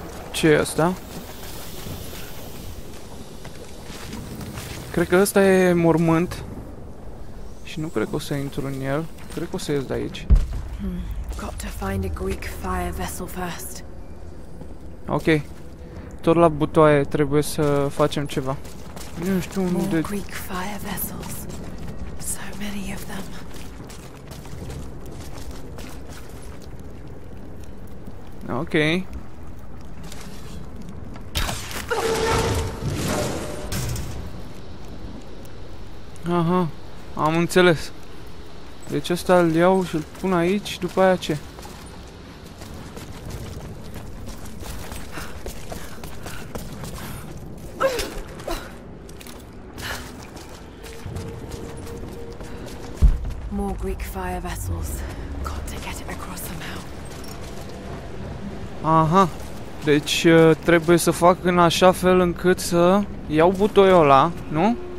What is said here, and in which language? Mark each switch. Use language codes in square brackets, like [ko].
[ro] Ce e ăsta? Cred că ăsta e mormânt. Și nu cred că o să intru în el. Cred că o să ies de aici. [en] Got to find a Greek fire vessel first. Ok. [ro] Tot la butoaie trebuie să facem ceva. Nu știu unde... [en] Greek fire vessels. So many of them. Ok. [ro] Aha, am înțeles. Deci ăsta îl iau și îl pun aici, după aia ce? [en] More Greek fire vessels. Got to get it across somehow. Aha. [ro] Deci trebuie să fac în așa fel încât să iau butoiul ăla, nu?